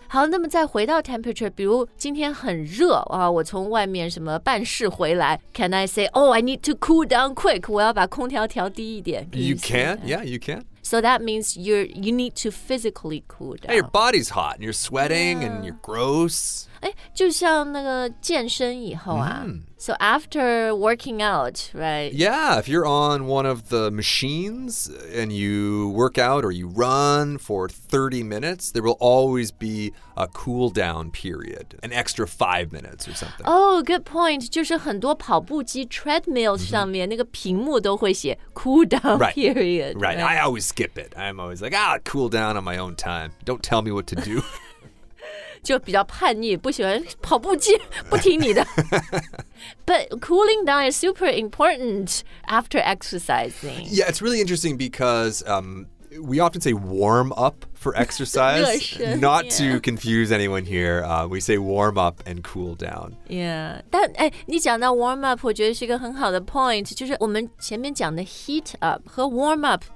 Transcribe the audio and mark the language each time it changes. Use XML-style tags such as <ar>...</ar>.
<zh>好那么再回到 temperature, 比如今天很热、啊、我从外面什么办事回来</zh> <en>can I say, oh, I need to cool down quick,</en> <zh>我要把空调调低一点</zh> <en>You can, yeah, you can. So that means you need to physically cool down. Yeah, your body's hot and you're sweating and you're gross.</en> <zh>哎，就像那个健身以后啊。</zh> <en>So after working out, right? Yeah, if you're on one of the machines and you work out or you run for 30 minutes, there will always be a cool down period, an extra 5 minutes or something. Oh, good point.</en> <zh>就是很多跑步机 treadmill 上面那个屏幕都会写</zh> <en>cool down period. Right. I always skip it. I'm always like, cool down on my own time. Don't tell me what to do.</en> <zh>就比较叛逆，不喜欢跑步机，不听你的。</zh> <en>But cooling down is super important after exercising. Yeah, it's really interesting because we often say warm up for exercise. Not to confuse anyone here, we say warm up and cool down.</en> <zh>Yeah, 但哎，你讲到 warm up， 我觉得是一个很好的 point， 就是我们前面讲的</zh> <en>heat up</en> <zh>和 warm up。</zh>